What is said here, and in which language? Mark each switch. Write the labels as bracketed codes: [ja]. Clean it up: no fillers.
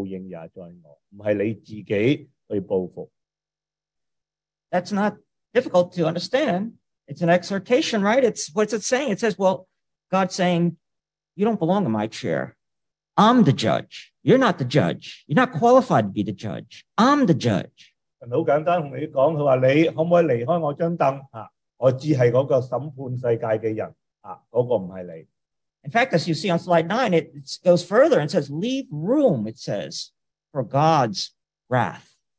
[zh] 其实神他讲得很简单,他说,伸冤在我,报应也在我,不是你自己去报复。 [en] That's not difficult to understand. It's an exhortation, right? It's what's it saying? It says, well, God's saying, you don't belong in my chair. I'm the judge. You're not the judge. You're not qualified to be the judge. I'm the judge. [zh] 很简单跟你讲,他说,你可不可以离开我张凳?我只是那个审判世界的人,那个不是你。 [en] In fact, as you see on slide 9, it goes further and says, leave room, it says, for God's wrath.